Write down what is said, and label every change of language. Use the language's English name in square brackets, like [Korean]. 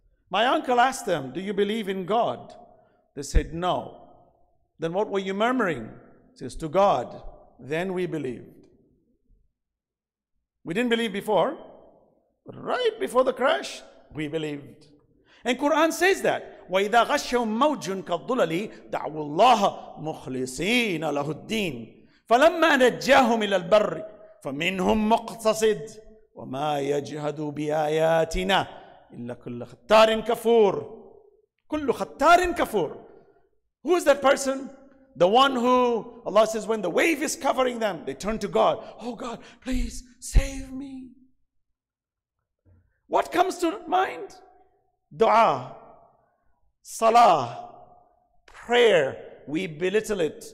[English] My uncle asked them, "Do you believe in God?" They said, "No." "Then what were you murmuring?" He says, "To God." "Then we believed." We didn't believe before, but right before the crash, we believed. And Quran says that, [Arabic] وَإِذَا غَشَّوْا مَوْجٌ كَالظُّلَلِ دَعْوُوا اللَّهَ مُخْلِصِينَ لَهُ الدِّينَ فَلَمَّا نَجَّاهُمْ إِلَى الْبَرِّ فَمِنْهُمْ مُقْتَصِدٌ وَمَا يَجْهَدُ بِآيَاتِنَا إِلَّا كُلُّ خَتَّارٍ كَفُورٍ كُلُّ خَتَّارٍ كَفُورٍ. [English] Who is that person? The one who, Allah says, when the wave is covering them, they turn to God. "Oh God, please save me." What comes to mind? Dua, salah, prayer. We belittle it.